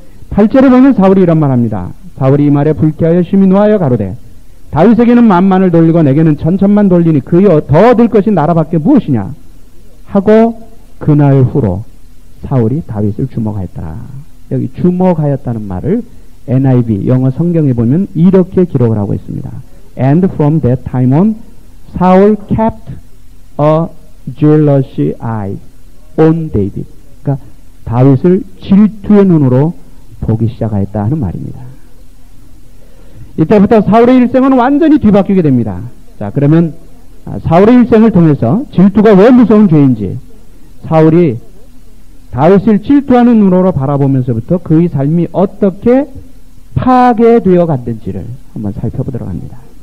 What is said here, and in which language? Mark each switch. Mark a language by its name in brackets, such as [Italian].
[Korean] 8절에 보면 사울이 이런 말합니다. 사울이 이 말에 불쾌하여 심히 노하여 가로되 다윗에게는 만만을 돌리고 내게는 천천만 돌리니 그여 더 얻을 것이 나라밖에 무엇이냐 하고 그날 후로 사울이 다윗을 주목하였더라. 여기 주목하였다는 말을 NIV 영어 성경에 보면 이렇게 기록을 하고 있습니다. [English] And from that time on Saul kept a jealous eye on David. [Korean] 그러니까 다윗을 질투의 눈으로 보기 시작하였다는 말입니다. 이때부터 사울의 일생은 완전히 뒤바뀌게 됩니다. 자, 그러면 사울의 일생을 통해서 질투가 왜 무서운 죄인지 사울이 다윗을 질투하는 눈으로 바라보면서부터 그의 삶이 어떻게 파괴되어 갔는지를 한번 살펴보도록 합니다.